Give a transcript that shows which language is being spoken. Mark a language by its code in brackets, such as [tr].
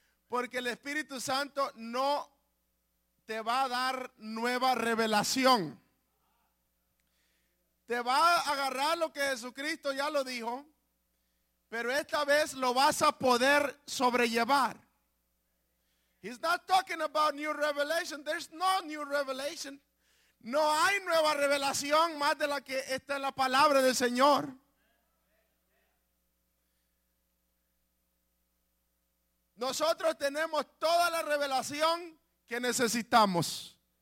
[es] Porque el Espíritu Santo no te va a dar nueva revelación. Te va a agarrar lo que Jesucristo ya lo dijo, pero esta vez lo vas a poder sobrellevar. [en] He's not talking about new revelation. There's no new revelation. [es] No hay nueva revelación más de la que está en la palabra del Señor. Nosotros tenemos toda la revelación que necesitamos.